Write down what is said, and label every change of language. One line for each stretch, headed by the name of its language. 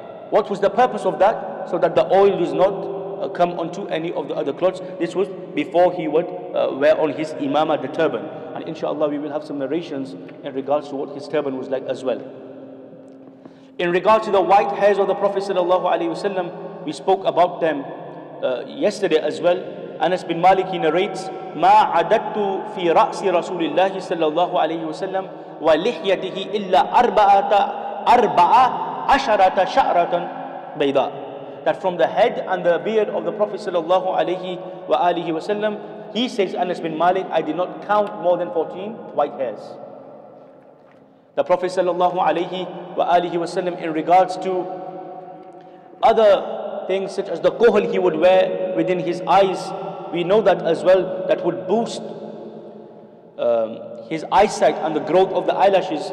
English: What was the purpose of that? So that the oil does not come onto any of the other clothes. This was before he would wear on his imamah, the turban. And inshallah, we will have some narrations in regards to what his turban was like as well. In regards to the white hairs of the Prophet sallallahu alaihi wasallam, we spoke about them yesterday as well.
Arabic: Anas bin Malik,
English: he narrates,
Arabic: مَا عَدَدْتُ فِي رَأْسِ رَسُولِ اللَّهِ sallallahu alaihi wasallam وَلِحْيَتِهِ إِلَّا أَرْبَعَةَ أَرْبَعَةَ عَشَرَةَ شَعْرَةً بَيْضَاءَ.
English: that from the head and the beard of the Prophet sallallahu alaihi wa alihi wasallam, he says, Anas bin Malik, I did not count more than 14 white hairs. The Prophet sallallahu alaihi wa alihi wasallam, in regards to other things such as the kohl he would wear within his eyes, we know that as well, that would boost his eyesight and the growth of the eyelashes.